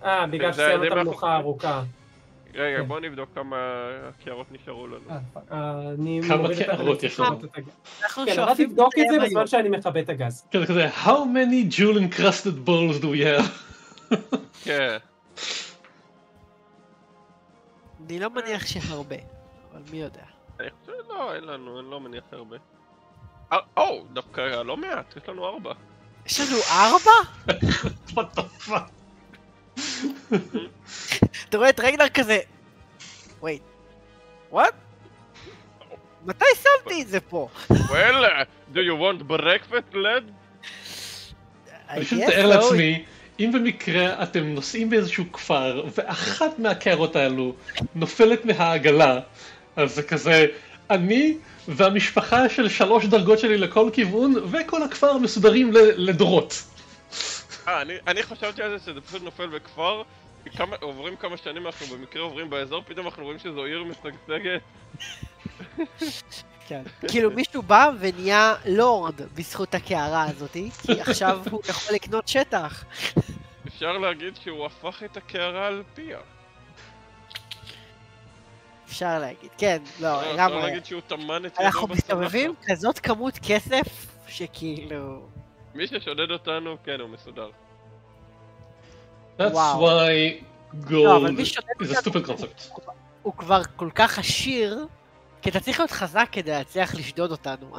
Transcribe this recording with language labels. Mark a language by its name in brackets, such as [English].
[Hebrew] בגלל שסיימת המנוחה ארוכה. רגע, בוא נבדוק כמה הקערות נשארו לנו. כמה קערות יש לנו? כן, רק תבדוק את זה בזמן שאני מכבה את הגז. כן, כזה, [English] how many jewel encrusted balls do we have? [Hebrew] כן. אני לא מניח שהרבה, אבל מי יודע. אני חושב, לא, אין לנו, אני לא מניח הרבה. או, דווקא לא מעט, יש לנו ארבע. יש לנו ארבע? [English] What the fuck? [Hebrew] אתה רואה את רגנר כזה, [English] wait, what? [Hebrew] מתי שמתי את זה פה? [English] Well, do you want breakfast, lad? [Hebrew] אני חושב לתאר לעצמי, אם במקרה אתם נוסעים באיזשהו כפר ואחת מהקערות האלו נופלת מהעגלה, אז זה כזה, אני והמשפחה של שלוש דרגות שלי לכל כיוון וכל הכפר מסודרים לדורות. אני חשבתי על זה שזה פשוט נופל בכפר, עוברים כמה שנים אנחנו במקרה עוברים באזור, פתאום אנחנו רואים שזו עיר מסגסגת. כן, כאילו מישהו בא ונהיה לורד בזכות הקערה הזאת, כי עכשיו הוא יכול לקנות שטח. אפשר להגיד שהוא הפך את הקערה על פיה. אפשר להגיד, כן, לא, למה? אפשר להגיד שהוא תמן את ידו בסמכה. אנחנו מסתובבים כזאת כמות כסף שכאילו... מי ששודד אותנו, כן, הוא מסודר. [English] That's why gold is a stupid concept. [Hebrew] הוא כבר כל כך עשיר, כי אתה צריך להיות חזק כדי להצליח לשדוד אותנו.